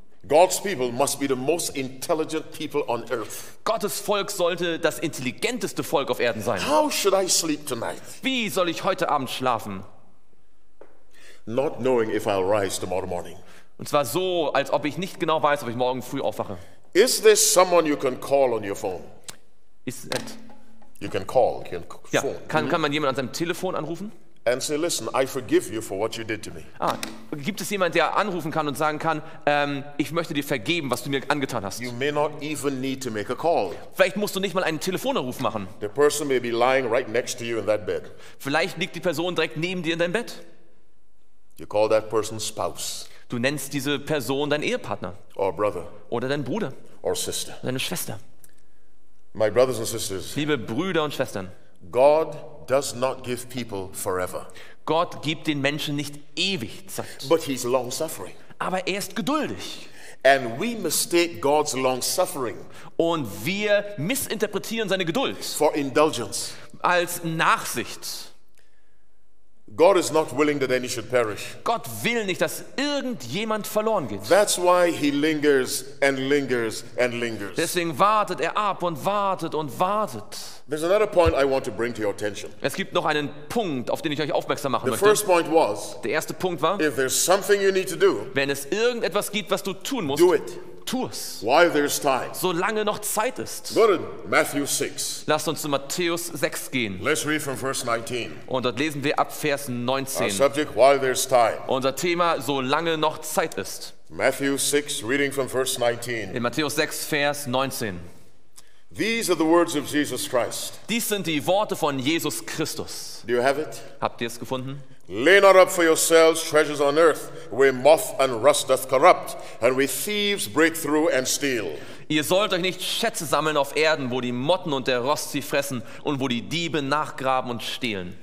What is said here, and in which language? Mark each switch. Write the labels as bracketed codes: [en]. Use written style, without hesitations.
[en] God's people must be the most intelligent people on earth. [de] Gottes Volk sollte das intelligenteste Volk auf Erden sein. [en] How should I sleep tonight? [de] Wie soll ich heute Abend schlafen? [en] Not knowing if I'll rise tomorrow morning. [de] Und zwar so, als ob ich nicht genau weiß, ob ich morgen früh aufwache. [en] Is this someone you can call on your phone? Is that? You can call. You can phone. [de] Ja, kann man jemanden an seinem Telefon anrufen? [en] And say, listen, I forgive you for what you did to me. [de] Ah, gibt es jemand, der anrufen kann und sagen kann, ich möchte dir vergeben, was du mir angetan hast? [en] You may not even need to make a call. [de] Vielleicht musst du nicht mal einen Telefonanruf machen. [en] The person may be lying right next to you in that bed. [de] Vielleicht liegt die Person direkt neben dir in deinem Bett. [en] You call that person spouse. [de] Du nennst diese Person deinen Ehepartner. [en] Or brother. [de] Oder deinen Bruder. [en] Or sister. [de] Deine Schwester. [en] My brothers and sisters. [de] Liebe Brüder und Schwestern. [en] God does not give people forever. [de] Gott gibt den Menschen nicht ewig Zeit. [en] But he's long suffering. [de] Aber ist geduldig. [en] And we mistake God's long suffering. [de] Und wir missinterpretieren seine Geduld. [en] For indulgence. [de] Als Nachsicht. [en] God is not willing that any should perish. [de] Gott will nicht, dass irgendjemand verloren geht. [en] That's why he lingers and lingers and lingers. [de] Deswegen wartet er ab und wartet und wartet. [en] There's another point I want to bring to your attention. [de] Es gibt noch einen Punkt, auf den ich euch aufmerksam machen [en] the [de] möchte. [en] First point was, [de] der erste Punkt war, [en] if there's something you need to do, [de] wenn es irgendetwas gibt, was du tun musst, [en] do it. [de] Tu es. [en] While there's time. [de] Solange noch Zeit ist. [en] Go to Matthew 6. [de] Lasst uns zu Matthäus 6 gehen. [en] Let's read from verse 19. [de] Und dort lesen wir ab Vers 19. [en] Our subject, while there's time. [de] Unser Thema, solange noch Zeit ist. [en] Matthew 6, reading from verse 19. [de] In Matthäus 6, Vers 19. [en] These are the words of Jesus Christ. [de] Dies sind die Worte von Jesus Christus. [en] Do you have it? [de] Habt ihr es gefunden? [en] Lay not up for yourselves treasures on earth, where moth and rust doth corrupt, and where thieves break through and steal. [de] Ihr sollt euch nicht Schätze sammeln auf Erden, wo die Motten und der Rost sie fressen und wo die Diebe nachgraben und stehlen.